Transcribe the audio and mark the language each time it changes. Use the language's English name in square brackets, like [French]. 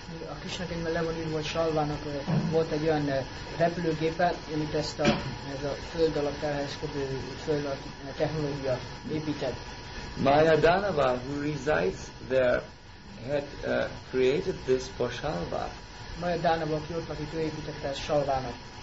[Hungarian] A Krisnakönyvben le van írva, hogy Salvának volt egy olyan repülőgépe, amit ezt a, ez a föld alatt elhelyezkedő föld alatt technológia épített. [English] Maya Danava, who resides there, had created this for Salva. [Hungarian] Maya Danava, aki ott lakik, ő építette ezt Salvának.